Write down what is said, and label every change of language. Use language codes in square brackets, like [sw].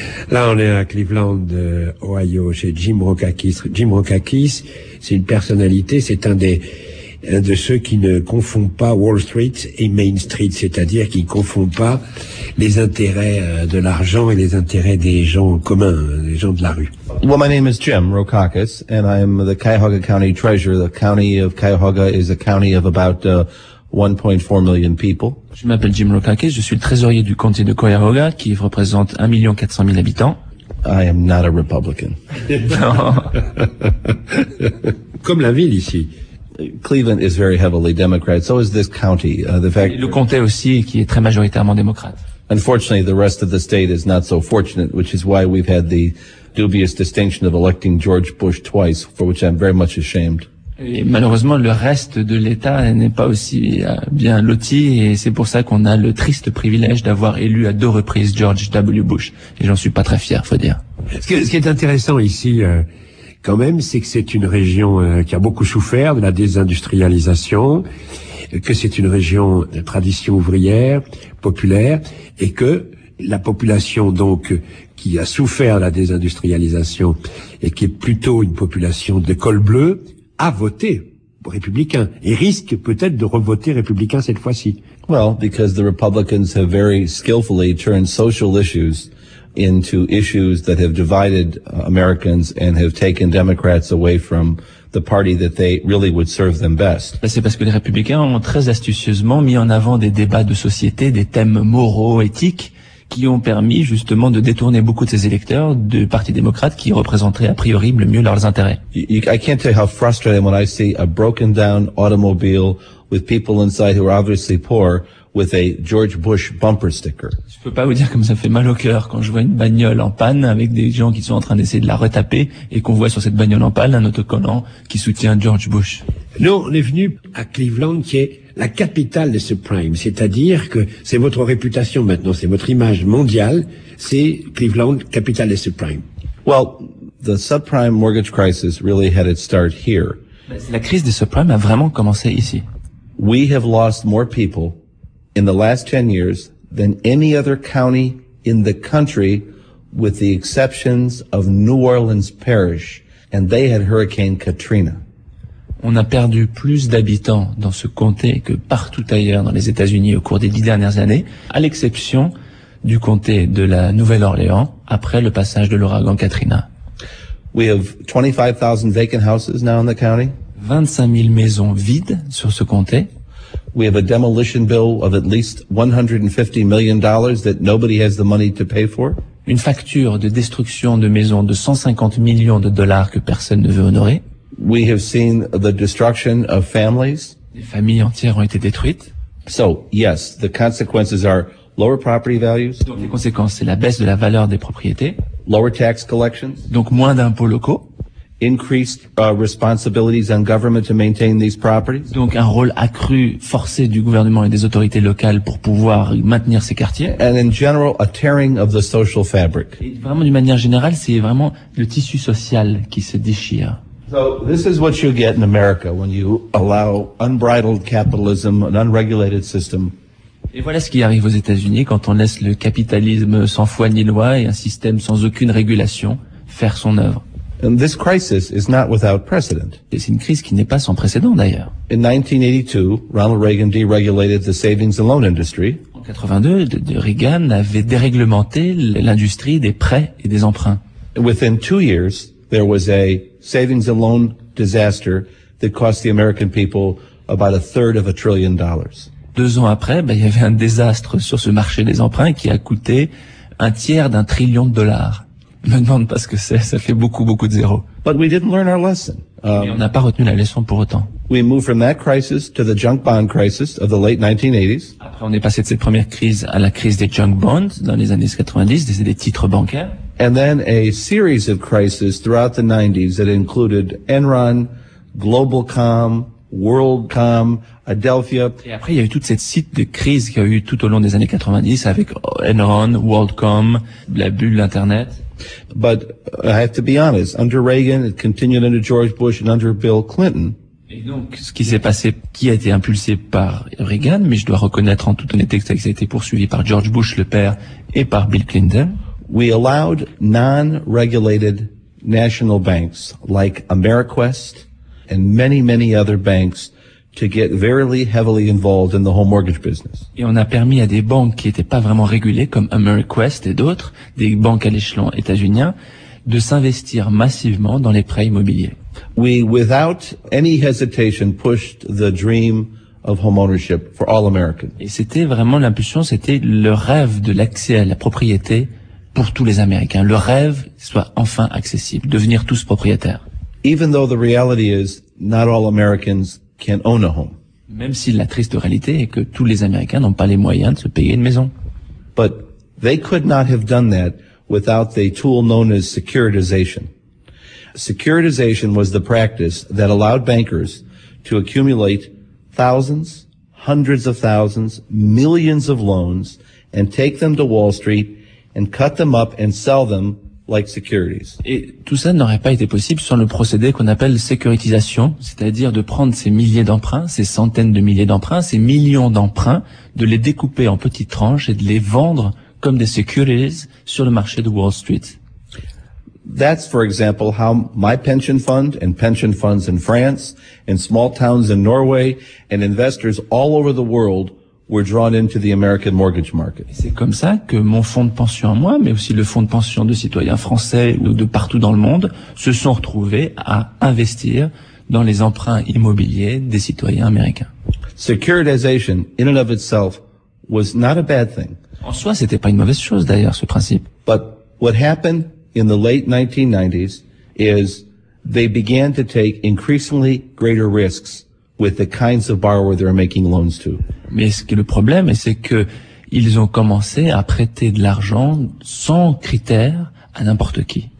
[fr] Là, on est à Cleveland, Ohio, chez Jim Rokakis. Jim Rokakis, c'est une personnalité, c'est un des de ceux qui ne confondent pas Wall Street et Main Street, c'est-à-dire qui ne confondent pas les intérêts de l'argent et les intérêts des gens communs, des gens de la rue. [en] Well, my name is Jim Rokakis, and I'm the Cuyahoga County Treasurer. The county of Cuyahoga is a county of about 1.4 million people. [fr] Je m'appelle Jim Rokakis, je suis le trésorier du comté de Cuyahoga, qui représente 1 400 000 habitants. [en] I am not a Republican. [fr] Comme la ville ici. [en] Cleveland is very heavily Democrat. So is this county. [fr] Le comté aussi, qui est très majoritairement démocrate. [en] Unfortunately, the rest of the state is not so fortunate, which is why we've had the dubious distinction of electing George Bush twice, for which I'm very much ashamed. [fr] Et malheureusement, le reste de l'État n'est pas aussi bien loti, et c'est pour ça qu'on a le triste privilège d'avoir élu à deux reprises George W. Bush. Et j'en suis pas très fier, faut dire. Ce qui est intéressant ici, quand même, c'est que c'est une région qui a beaucoup souffert de la désindustrialisation, que c'est une région de tradition ouvrière, populaire, et que la population, donc, qui a souffert de la désindustrialisation, et qui est plutôt une population de col bleu, a voté républicain et risque peut-être de revoter républicain cette fois-ci. [en] Well, because the Republicans have very skillfully turned social issues into issues that have divided Americans and have taken Democrats away from the party that they really would serve them best. [fr] C'est parce que les républicains ont très astucieusement mis en avant des débats de société, des thèmes moraux, éthiques, qui ont permis justement de détourner beaucoup de ces électeurs du Parti démocrate qui représenterait a priori le mieux leurs intérêts. [en] I can't tell you how frustrated I am when I see a broken down automobile with people inside who are obviously poor with a George Bush bumper sticker. [fr] Je peux pas vous dire comme ça fait mal au cœur quand je vois une bagnole en panne avec des gens qui sont en train d'essayer de la retaper et qu'on voit sur cette bagnole en panne un autocollant qui soutient George Bush. Nous, on est venu à Cleveland qui est la capitale des subprimes, c'est-à-dire que c'est votre réputation maintenant, c'est votre image mondiale, c'est Cleveland, capitale des subprimes. [en] Well, the subprime mortgage crisis really had its start here. [fr] La crise des subprimes a vraiment commencé ici. [en] We have lost more people in the last 10 years than any other county in the country, with the exceptions of New Orleans Parish, and they had Hurricane Katrina. [fr] On a perdu plus d'habitants dans ce comté que partout ailleurs dans les États-Unis au cours des 10 dernières années, à l'exception du comté de la Nouvelle-Orléans après le passage de l'ouragan Katrina. [en] We have 25,000 vacant houses now in the county. [fr] 25 000 maisons vides sur ce comté. [en] We have a demolition bill of at least $150 million that nobody has the money to pay for. [fr] Une facture de destruction de maisons de 150 millions de dollars que personne ne veut honorer. [en] We have seen the destruction of families. [fr] Les familles entières ont été détruites. [en] So, yes, the consequences are lower property values. [fr] Donc les conséquences, c'est la baisse de la valeur des propriétés. [en] Lower tax collections. [fr] Donc moins d'impôts locaux. [en] Increased responsibilities on government to maintain these properties. [fr] Donc un rôle accru, forcé du gouvernement et des autorités locales pour pouvoir maintenir ces quartiers. [en] And in general, a tearing of the social fabric. [fr] Et vraiment, d'une manière générale, c'est vraiment le tissu social qui se déchire. [en] So this is what you get in America when you allow unbridled capitalism, an unregulated system. [fr] Et voilà ce qui arrive aux États-Unis quand on laisse le capitalisme sans foi ni loi et un système sans aucune régulation faire son œuvre. [en] And this crisis is not without precedent. [fr] Et c'est une crise qui n'est pas sans précédent d'ailleurs. [en] In 1982, Ronald Reagan deregulated the savings and loan industry. [fr] En 82, Reagan avait déréglementé l'industrie des prêts et des emprunts. [en] Within 2 years, there was a savings and loan disaster that cost the American people about a third of $1 trillion. [fr] 2 ans après, il y avait un désastre sur ce marché des emprunts qui a coûté un tiers d'un trillion de dollars. Je me demande pas ce que c'est, ça fait beaucoup, beaucoup de zéros. [en] But we didn't learn our lesson. [fr] Mais on n'a pas retenu la leçon pour autant. [en] We moved from that crisis to the junk bond crisis of the late 1980s. [fr] Après, on est passé de cette première crise à la crise des junk bonds dans les années 90, des titres bancaires. [en] And then a series of crises throughout the 90s that included Enron, Globalcom, WorldCom, Adelphia. [fr] Et après, il y a eu toute cette suite de crises qui a eu tout au long des années 90 avec Enron, WorldCom, la bulle d'Internet. [en] But I have to be honest, under Reagan, it continued under George Bush and under Bill Clinton. [fr] Et donc, ce qui s'est passé, qui a été impulsé par Reagan, mais je dois reconnaître en toute honnêteté que ça a été poursuivi par George Bush, le père, et par Bill Clinton. [en] We allowed non-regulated national banks like Ameriquest and many, many other banks to get very heavily involved in the home mortgage business. [fr] Et on a permis à des banques qui étaient pas vraiment régulées comme Ameriquest et d'autres, des banques à l'échelon états-unien, de s'investir massivement dans les prêts immobiliers. [en] We without any hesitation pushed the dream of home ownership for all Americans. [fr] Et c'était vraiment l'impulsion, c'était le rêve de l'accès à la propriété pour tous les Américains, le rêve soit enfin accessible, devenir tous propriétaires. [en] Even though the reality is not all Americans can own a home. [fr] Même si la triste réalité est que tous les Américains n'ont pas les moyens de se payer une maison. [en] But they could not have done that without the tool known as securitization. Securitization was the practice that allowed bankers to accumulate thousands, hundreds of thousands, millions of loans and take them to Wall Street and cut them up and sell them like securities. [fr] Et tout ça n'aurait pas été possible sans le procédé qu'on appelle sécuritisation, c'est-à-dire de prendre ces milliers d'emprunts, ces centaines de milliers d'emprunts, ces millions d'emprunts, de les découper en petites tranches et de les vendre comme des securities sur le marché de Wall Street. [en] That's, for example, how my pension fund and pension funds in France, in small towns in Norway, and investors all over the world were drawn into the American mortgage market. [fr] C'est comme ça que mon fonds de pension à moi, mais aussi le fonds de pension de citoyens français ou de partout dans le monde, se sont retrouvés à investir dans les emprunts immobiliers des citoyens américains. [en] Securitization, in and of itself, was not a bad thing. [fr] En soi, c'était pas une mauvaise chose, d'ailleurs, ce principe. [en] But what happened in the late 1990s is they began to take increasingly greater risks with the kinds of borrower they're making loans to. [fr] Mais ce qui est le problème, c'est que ils ont commencé à prêter de l'argent sans critères à n'importe qui.